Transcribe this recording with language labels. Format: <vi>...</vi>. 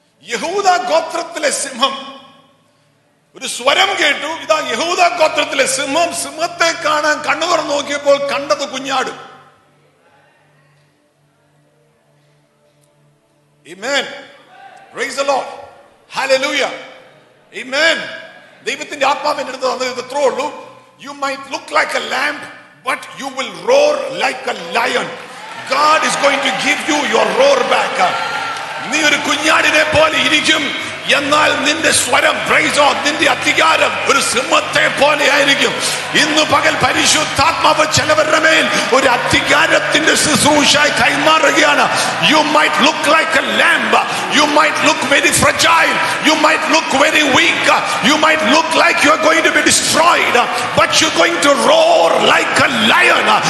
<ml>യഹൂദ ഗോത്രത്തിലെ സിംഹം ഒരു സ്വരം കേട്ടു, ഇതാ യഹൂദ ഗോത്രത്തിലെ സിംഹം. സിംഹത്തെ കാണാൻ കണ്ണു തുറന്നു നോക്കിയപ്പോൾ കണ്ടത് കുഞ്ഞാട്.</ml> <en>Amen. Praise the Lord. Hallelujah. Amen.</en> <ml>ദൈവത്തിന്റെ ആത്മാവ് എന്റെ അടുത്ത് തന്നത് ഇത്രേ ഉള്ളൂ.</ml> <en>You might look like a lamb, but you will roar like a lion. God is going to give you your roar back.</en> <ml>നീ ഒരു കുഞ്ഞാടിനെ പോലെ ഇരിക്കും, എന്നാൽ നിന്റെ സ്വരം, പ്രൈസ് ഓഫ്, നിന്റെ അധികാരം ഒരു സിംഹത്തെ പോലെ ആയിരിക്കും. ഇന്ന് പകൽ പരിശുദ്ധാത്മാവ് ചിലവരുടെ മേൽ ഒരു അധികാരത്തിന്റെ ശുശ്രൂഷയായി കൈമാറുകയാണ്.</ml> <en>You might look like a lamb, you might look very fragile, you might look very weak, you might look like you are going to be destroyed, but you going to roar like a lion.</en>